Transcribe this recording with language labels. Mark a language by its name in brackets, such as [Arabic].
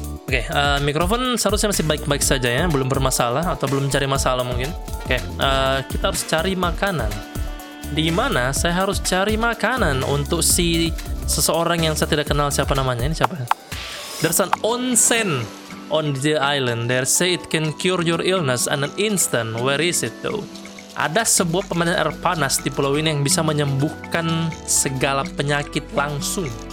[Indonesian] Oke, mikrofon seharusnya masih baik-baik saja ya, belum bermasalah atau belum cari masalah mungkin. Oke, kita harus cari makanan. Di mana saya harus cari makanan untuk si seseorang yang saya tidak kenal siapa namanya, ini siapa? [English] There's an onsen on the island, they say it can cure your illness in an instant. Where is it though? [Indonesian] Ada sebuah pemandian air panas di pulau ini yang bisa menyembuhkan segala penyakit langsung.